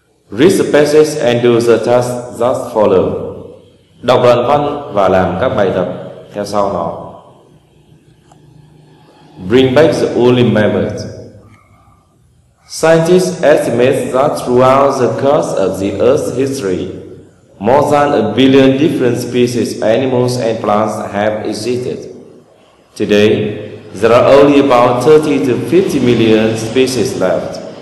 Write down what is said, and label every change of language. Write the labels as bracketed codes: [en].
[en] Read the passage and do the task that follow. [vi] Đọc đoạn văn và làm các bài tập theo sau nó. [en] Bring back the woolly mammoth. Scientists estimate that throughout the course of the Earth's history, more than a billion different species of animals and plants have existed. Today, there are only about 30 to 50 million species left.